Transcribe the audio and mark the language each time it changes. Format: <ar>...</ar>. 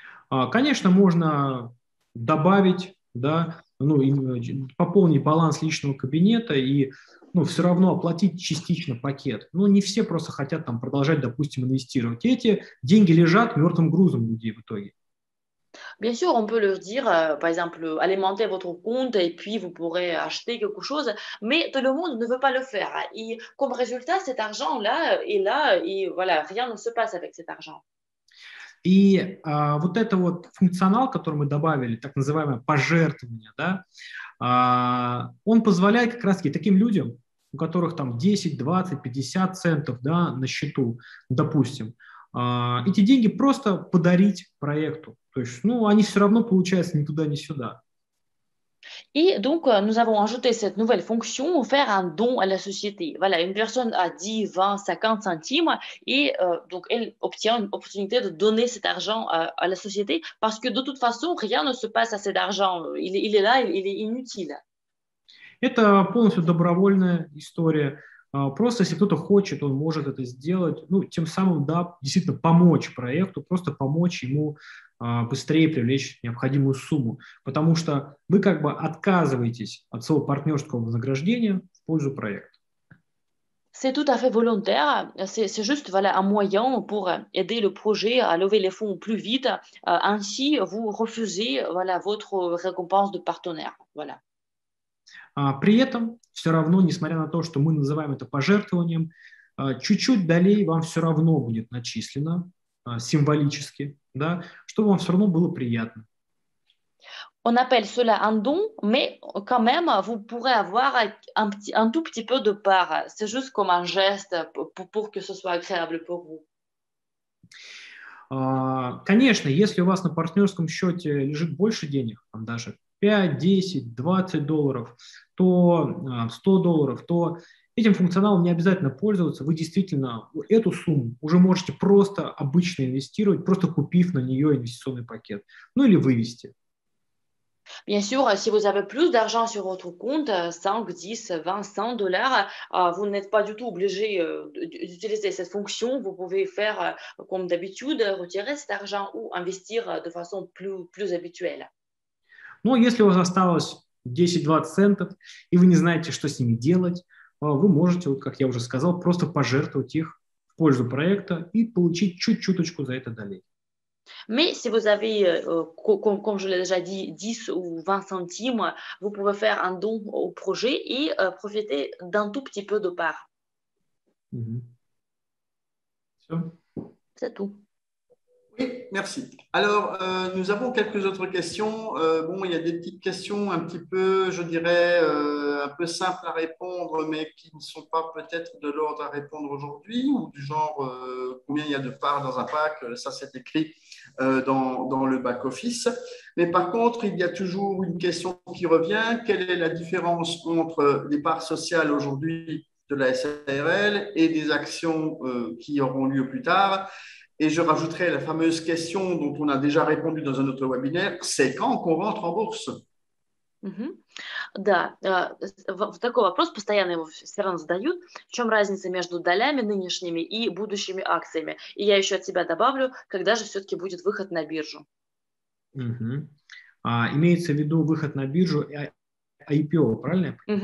<ru>Конечно, можно добавить, да, ну, пополнить баланс личного кабинета и, ну, все равно оплатить частично пакет. Ну, не все просто хотят там продолжать, допустим, инвестировать. Эти деньги лежат мертвым грузом людей в итоге.</ru> <fr>Bien sûr, on peut leur dire, par exemple, alimenter votre compte et puis vous pourrez acheter quelque chose, mais tout le monde ne veut pas le faire. Et comme résultat, cet argent-là est là et voilà, rien ne se passe avec cet argent.</fr> <ru>И вот этот вот функционал, который мы добавили, так называемое пожертвование, да, он позволяет как раз-таки таким людям, у которых там 10, 20, 50 центов, да, на счету, допустим, эти деньги просто подарить проекту. То есть, ну, они все равно получаются ни туда, ни сюда.</ru> <fr>Et donc, nous avons ajouté cette nouvelle fonction, faire un don à la société. Voilà, une personne a 10, 20, 50 centimes et donc elle obtient une opportunité de donner cet argent à la société parce que de toute façon, rien ne se passe à cet argent. Il est là, il est inutile.</fr> <ru>Это полностью добровольная история. Просто если кто-то хочет, он может это сделать. Ну, тем самым, да, действительно помочь проекту, просто помочь ему быстрее привлечь необходимую сумму. Потому что вы как бы отказываетесь от своего партнерского вознаграждения в пользу проекта.</ru> <fr>C'est tout à fait volontaire. C'est juste voilà, un moyen pour aider le projet à lever les fonds plus vite. Ainsi, vous refusez voilà, votre récompense de partenaire. Voilà.</fr> <ru>При этом, все равно, несмотря на то, что мы называем это пожертвованием, чуть-чуть долей вам все равно будет начислено, символически, да, чтобы вам все равно было приятно.</ru> <fr>On appelle cela un don, mais quand même, vous pourrez avoir un tout petit peu de part. C'est juste comme un geste pour que ce soit agréable pour vous.</fr> <ru>Конечно, если у вас на партнерском счете лежит больше денег, там даже 5, 10, 20 долларов, то 100 долларов, то этим функционалом не обязательно пользоваться. Вы действительно эту сумму уже можете просто обычно инвестировать, просто купив на нее инвестиционный пакет, ну или вывести.</ru> <fr>Bien sûr, si vous avez plus d'argent sur votre compte, 5, 10, 20, 100 dollars, vous n'êtes pas du tout obligé d'utiliser cette fonction. Vous pouvez faire comme d'habitude, retirer cet argent ou investir de façon plus habituelle.</fr> <ru>Ну, если у вас осталось 10-20 центов, и вы не знаете, что с ними делать, вы можете, вот как я уже сказал, просто пожертвовать их в пользу проекта и получить чуть-чуточку за это долей.</ru> <fr>Mais si vous avez, comme je l'ai déjà dit, 10 ou 20 centimes, vous pouvez faire un don au projet et profiter d'un tout petit peu de part. C'est tout. Oui, merci. Alors, nous avons quelques autres questions. Bon, il y a des petites questions un petit peu, je dirais, un peu simples à répondre, mais qui ne sont pas peut-être de l'ordre à répondre aujourd'hui, ou du genre, combien il y a de parts dans un pack, ça c'est écrit dans le back-office. Mais par contre, il y a toujours une question qui revient. Quelle est la différence entre les parts sociales aujourd'hui de la SARL et des actions qui auront lieu plus tard? Et je rajouterai la fameuse question dont on a déjà répondu dans un autre webinaire, c'est quand qu'on rentre en bourse?</fr> <ru>Да, такой вопрос постоянно его все равно задают. В чем разница между долями нынешними и будущими акциями? И я еще от себя добавлю, когда же все-таки будет выход на биржу? Имеется в виду выход на биржу IPO, правильно?</ru>